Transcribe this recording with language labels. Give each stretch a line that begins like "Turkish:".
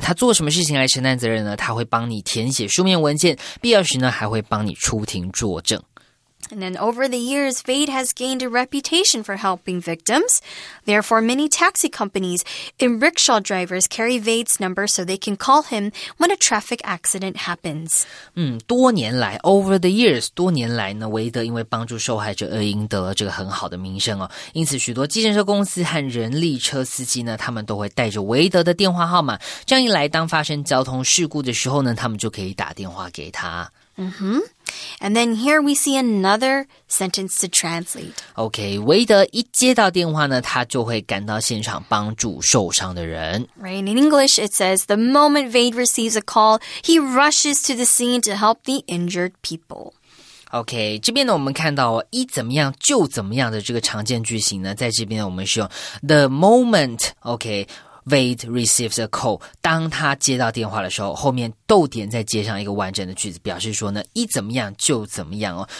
Chinese: 他做什么事情来承担责任呢他会帮你填写书面文件必要时呢还会帮你出庭作证。
English: And then over the years, Vade has gained a reputation for helping victims. Therefore, many taxi companies and rickshaw drivers carry Vade's number so they can call him when a traffic accident happens.
Chinese: 多年来 ,
English: over the years,
Chinese: 多年来呢韦德因为帮助受害者而赢得了这个很好的名声哦。因此许多计程车公司和人力车司机呢他们都会带着韦德的电话号码。这样一来当发生交通事故的时候呢他们就可以打电话给他。 Mm-hmm.
English: And then here we see another sentence to translate.
Chinese: Okay, 韦德一接到电话呢，他就会赶到现场帮助受伤的人。
English: Right, in English it says, the moment Wade receives a call, he rushes to the scene to help the injured people.
Chinese: OK, 这边呢我们看到一怎么样就怎么样的这个常见句型呢在这边我们是用
English: The moment,
Chinese: OK,
English: Wade receives a call,
Chinese: 当他接到电话的时候后面逗点再接上一个完整的句子表示说呢一怎么样就怎么样哦